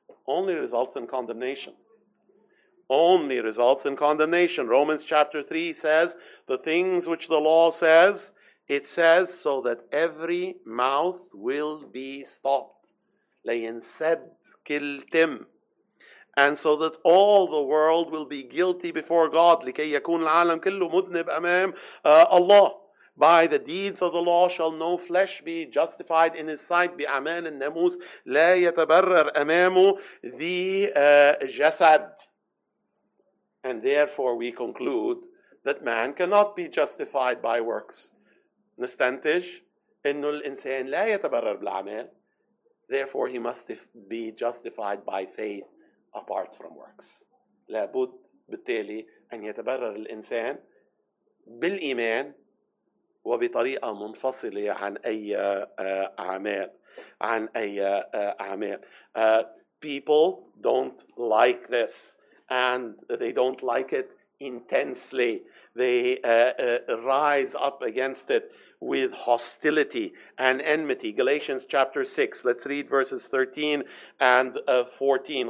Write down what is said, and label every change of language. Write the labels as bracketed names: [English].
[English] Only results in condemnation. Only results in condemnation. Romans chapter 3 says, the things which the law says, it says so that every mouth will be stopped. [Arabic] لينسد كلتم. [English] And so that all the world will be guilty before God. [Arabic] لكي يكون العالم كله مذنب أمام الله. [English] By the deeds of the law shall no flesh be justified in his sight. [Arabic] بأعمال الناموس لا يتبرر أمامه ذي جسد. [English] And therefore we conclude that man cannot be justified by works. [Arabic] نستنتج إنه الإنسان لا يتبرر بالعمل. [English] Therefore he must be justified by faith apart from works. [Arabic] لابد بالتالي أن يتبرر الإنسان بالإيمان وبطريقة منفصلة عن أي أعمال. عن أي أعمال. [English] People don't like this and they don't like it intensely. They rise up against it with hostility and enmity. Galatians chapter 6, let's read verses 13 and 14.